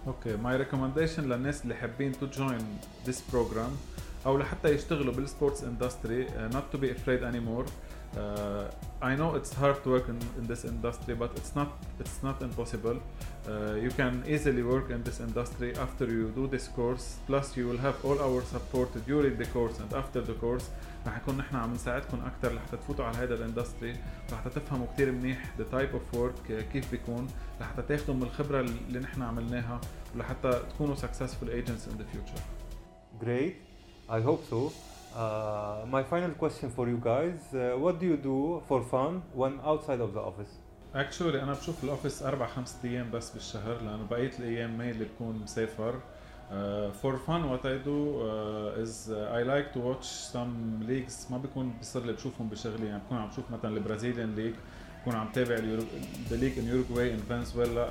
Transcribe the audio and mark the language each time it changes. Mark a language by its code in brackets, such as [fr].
[en] Okay, my recommendation [ar] للناس اللي حابين [en] to join this program [ar] أو لحتى يشتغلوا بالسبورتس اندستري [en] not to be afraid anymore. I know it's hard to work in this industry, but it's not impossible. You can easily work in this industry after you do this course. Plus, you will have all our support during the course and after the course. [ar] رح يكون نحن عم نساعدكم أكثر لحتى تفوتوا على هذا الاندستري، رح تفهموا كتير منيح [en] the type of work [ar] كيف بيكون، رح تاخدوا من الخبرة اللي نحن عملناها، ولحتى تكونوا [en] successful agents in the future. Great. I hope so. My final question for you guys, what do you do for fun when outside of the office? [ar] Actually, أنا بشوف الأوفيس 4-5 أيام بس بالشهر، لأن بقية الأيام ما اللي بكون مسافر. [en] For fun, what I do is I like to watch some leagues. [ar] ما بكون بصير لي بشوفهم بشغلي، يعني بكون عم بشوف مثلا البرازيليان ليج، بكون عم تابع [en] the league in Uruguay and Venezuela.